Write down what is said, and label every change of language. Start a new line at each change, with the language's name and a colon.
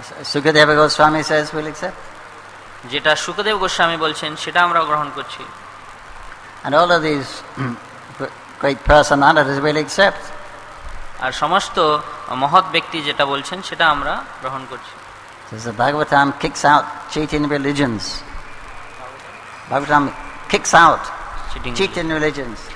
English: Sukhdev Goswami says we'll accept
Bangla: যেটা সুখদেব গোস্বামী বলছেন সেটা আমরা গ্রহণ করছি
English: and all of these great personalities we'll accept
Bangla: আর সমস্ত মহৎ ব্যক্তি যেটা বলছেন সেটা আমরা গ্রহণ করছি
English: so the Bhagavatam kicks out cheating religions Bhagavatam kicks out cheating religions